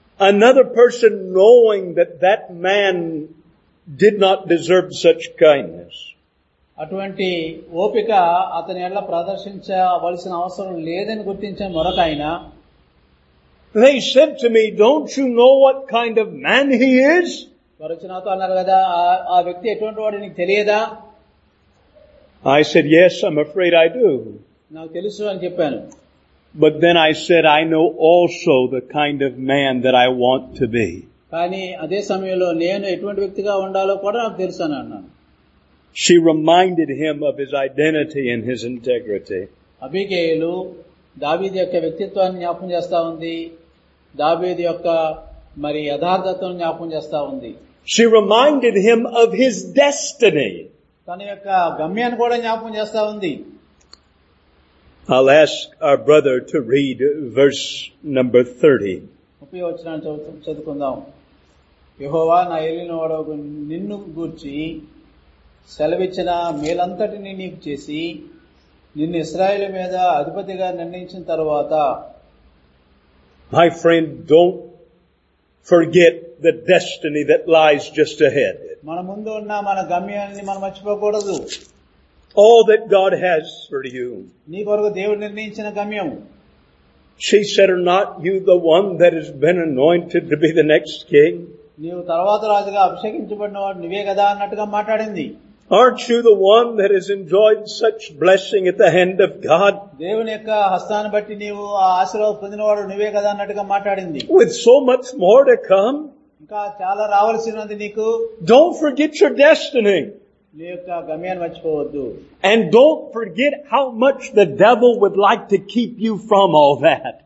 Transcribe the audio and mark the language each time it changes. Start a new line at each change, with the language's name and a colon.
English: Another person knowing that man did not deserve such kindness.
Telugu: అటువంటి ఓపిక అతని ఎలా ప్రదర్శించవలసిన అవసరం లేదని గుర్తించే మరొకైనా.
English: They said to me, "Don't you know what kind of man he is?"
Telugu: వరచనాతో అన్నారు కదా, ఆ వ్యక్తి ఎటువంటి వాడు నీకు తెలియదా?
English: I said, "Yes, I'm afraid I do."
Telugu: నాకు తెలుసు అని చెప్పాను.
English: But then I said, I know also the kind of man that I want to be.
Telugu: కాని అదే సమయంలో నేను ఎటువంటి వ్యక్తిగా ఉండాలో కూడా నాకు తెలుసు అని అన్నాను.
English: She reminded him of his identity and his integrity.
Telugu: అబిగేయిలు దావీదు యొక్క వ్యక్తిత్వాన్ని జ్ఞాపకం చేస్తా ఉంది, దావీదు యొక్క మరి యథార్థతను జ్ఞాపకం చేస్తా ఉంది.
English: She reminded him of his destiny.
Telugu: తన యొక్క గమ్యాన్ని కూడా జ్ఞాపకం చేస్తా ఉంది.
English: I'll ask our brother to read verse number 30.
Telugu: ఒక వచనం చదువుకుందాం. యెహోవా నా ఎలినవాడవు, నిన్ను గూర్చి సెలవిచ్చిన మేలంతటిని నీకు చేసి నిన్ను ఇశ్రాయేలు మీద అధిపతిగా నిర్ణయించిన తర్వాత.
English: My friend, don't forget the destiny that lies just ahead.
Telugu: మన ముందు ఉన్న మన గమ్యాన్ని మనం మర్చిపోకూడదు.
English: All that God has for you.
Telugu: నీ కొరకు దేవుడు నిర్ణయించిన గమ్యం.
English: She said, "Are not you the one that has been anointed to be the next king?"
Telugu: నీవు తర్వాత రాజుగా అభిషేకించబడిన వాడు నువ్వే కదా అన్నట్టుగా మాట్లాడింది.
English: Aren't you the one that has enjoyed such blessing at the hand of God?
Telugu: దేవుని యొక్క హస్తాన్ని బట్టి నీవు ఆ ఆశీర్వాదం పొందినవాడు నువ్వే కదా అన్నట్టుగా మాట్లాడింది.
English: With so much more to come.
Telugu: ఇంకా చాలా రావాల్సినది నీకు.
English: Don't forget your destiny.
Telugu: నీ యొక్క గమ్యాన్ని మర్చిపోవద్దు.
English: And don't forget how much the devil would like to keep you from all that.